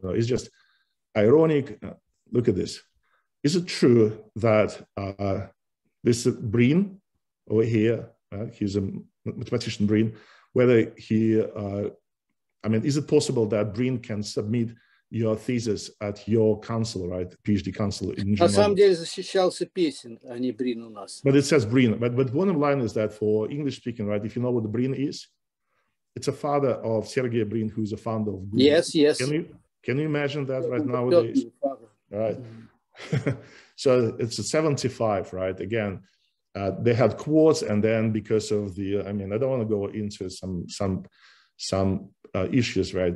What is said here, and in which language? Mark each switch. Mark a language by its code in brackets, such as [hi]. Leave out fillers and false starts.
[en] It's just ironic. Look at this. Is it true that this Breen over here, he's a mathematician Breen, is it possible that Breen can submit your thesis at your council, right? PhD council in Geneva. [ru] На самом деле защищался Песин, а не Брин у нас. [en] But it says Brin. But bottom line is that for English speaking, right? If you know what Brin is, it's a father of Sergey Brin, who is a founder of Google. Yes, yes. Can you imagine that right nowadays? Right. Mm-hmm. So it's a 75, right? Again, they had quotes, and then because of the, I mean, I don't want to go into some issues, right?